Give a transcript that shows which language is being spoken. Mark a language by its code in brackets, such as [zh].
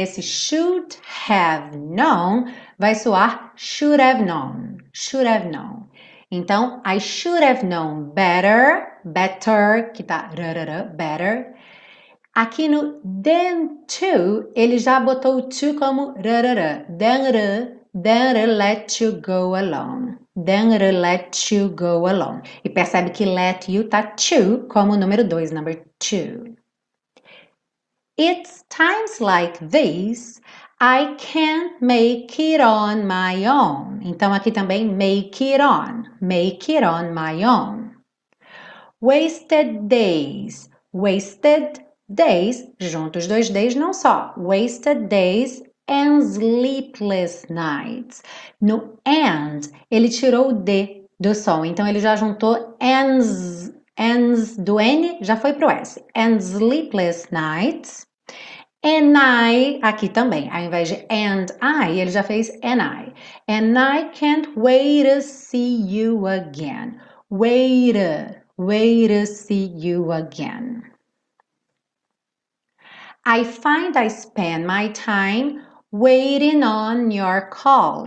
[en] Esse should have known [pt] vai soar [en] should have known. Should have known. Então, I should have known better, [pt] que tá rarara, [en] better. [pt] Aqui no than to, ele já botou o to como rarara, [en] than let you go alone. Than let you go alone. [pt] E percebe que let you tá to como número dois, [en] number two. It's times like these. I can't make it on my own. [pt] Então aqui também [en] make it on my own. Wasted days, wasted [pt] Days, juntos dois days, não só. Wasted days and sleepless nights. No and, ele tirou o D do som. Então, ele já juntou ands do N, já foi pro S. [en] And sleepless nights. And I, [pt] aqui também, ao invés de [en] and I, [pt] ele já fez [en] and I. And I can't wait to see you again. Wait to see you again. I find I spend my time waiting on your call.